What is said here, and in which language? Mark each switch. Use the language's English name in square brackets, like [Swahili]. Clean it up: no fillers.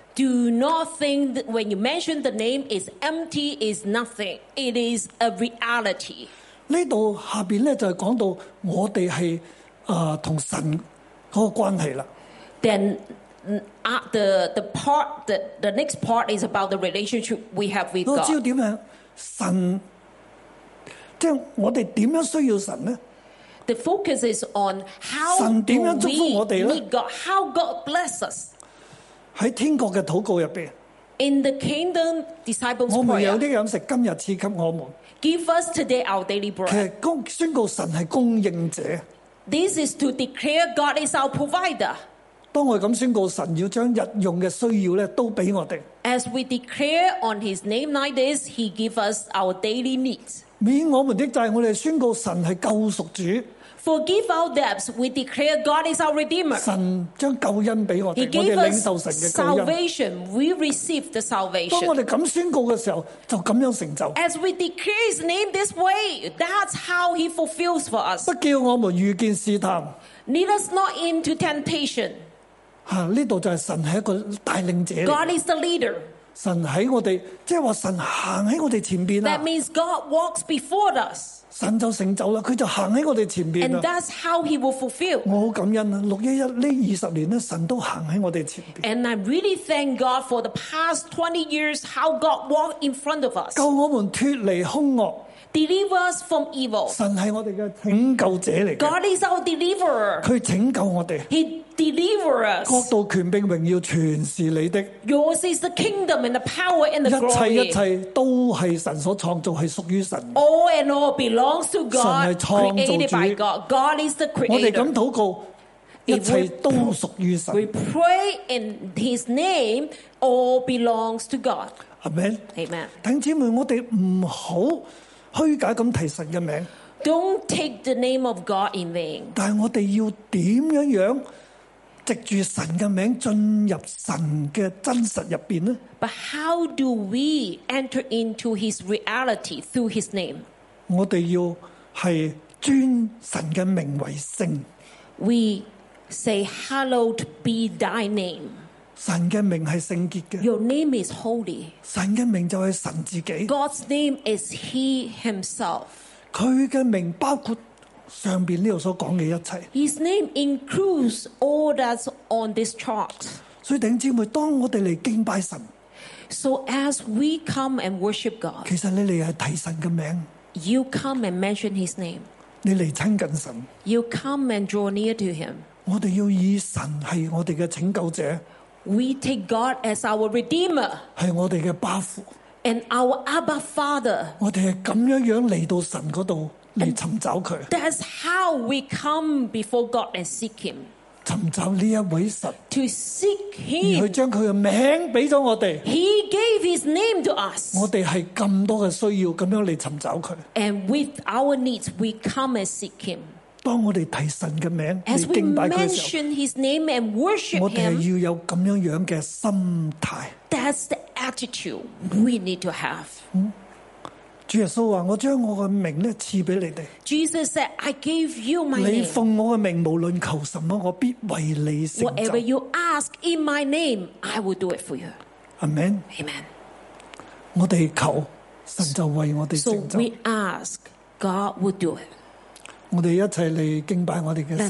[English] Do not think that when you mention the name is empty, is nothing. It is a reality. [Chinese] 这里下面就是讲到我们是跟神的关系了。 [English] Then the next part is about the relationship we have with God. [Chinese] 我知道怎样神，即是我们怎样需要神呢？ [English] The focus is on how we need God, how God bless us. [Chinese] 在天国的祷告里面 [English] In the kingdom disciples [Chinese] prayer 我们有这饮食今日赐给我们 [English] Give us today our daily bread [Chinese] 其实宣告神是供应者 [English] This is to declare God is our provider [Chinese] 当我们宣告神要将日用的需要都给我们 [English] As we declare on his name like this He give us our daily needs [Chinese] 免我们的债我们宣告神是救赎主 [English] Forgive our debts, we declare God is our Redeemer. [Chinese] 神将救恩给我们, [English] He gave [Chinese] 我们领受神的 [English] 救恩。Salvation, we receive the salvation. [Chinese] 当我们这样宣告的时候, 就这样成就。 [English] As we declare His name this way, that's how He fulfills for us. [Chinese] 不叫我们遇见试探。 [English] Lead us not into temptation. [Chinese] 这里就是神是一个带领者。 [English] God is the leader. [Chinese] 神在我们, 即是说神行在我们前面。 [English] That means God walks before us. [Chinese] 神就成就了，祂就行在我们前面了。 [English] And that's how He will fulfill. [Chinese] 我很感恩，611这20年，神都行在我们前面。 [English] And I really thank God for the past 20 years, how God walked in front of us. [Chinese] 救我们脱离凶恶。 [English] Deliver us from evil. [Chinese] 神是我们的拯救者来的。 [English] God is our deliverer. [Chinese] 祂拯救我们。 [English] He deliver us. [Chinese] 国度权柄荣耀全是你的。 [English] Yours is the kingdom and the power and the glory. [Chinese] 一切一切都是神所创造，是属于神 [English] 的。All and all belongs to God, [Chinese] 神是创造主。 [English] Created by God. God is the creator. [Chinese] 我们这样祷告，一切都属于神。 [English] We pray in His name, all belongs to God. Amen. Amen. [Chinese] 弟兄姊妹，我们不要虚假地提神的名。 [English] Don't take the name of God in vain. [Chinese] 但我们要怎样样藉住神的名字进入神的真实入面呢？ [English] But how do we enter into His reality through His name? [Chinese] 我们要是尊神的名为圣。 [English] We say hallowed be thy name. [Chinese] 神的名是圣洁的。 [English] Your name is holy. [Chinese] 神的名就是神自己。 [English] God's name is He Himself. [Chinese] 祂的名包括上面这里所讲的一切。 [English] His name includes all that's on this chart. [Chinese] 所以弟兄姊妹，当我们来敬拜神， [English] So as we come and worship God， [Chinese] 其实你来提神的名， [English] You come and mention His name， [Chinese] 你来亲近神， [English] You come and draw near to Him， [Chinese] 我们要以神是我们的拯救者， [English] We take God as our Redeemer， [Chinese] 是我们的巴父， [English] And our Abba Father， [Chinese] 我们是这样来到神那里来寻找祂。 [English] That's how we come before God and seek Him. [Chinese] 寻找这一位神。 [English] To seek Him. [Chinese] 而祂将祂的名字给了我们。 [English] He gave His name to us. [Chinese] 我们是这么多的需要，这样来寻找祂。 [English] And with our needs, we come and seek Him. [Chinese] 当我们提神的名字来敬拜祂的时候， [English] As we mention His name and worship Him, [Chinese] 我们是要有这样的心态。 [English] That's the attitude we need to have. [Chinese] 主耶稣说，我将我的名赐给你们。 [English] Jesus said, I gave you my name. [Chinese] 你奉我的名无论求什么，我必为你成就。 [English] Whatever you ask in my name, I will do it for you. Amen. Amen. [Chinese] 我们求神就为我们成就。 [English] So we ask, God will do it. [Chinese] 我们一起来敬拜我们的神。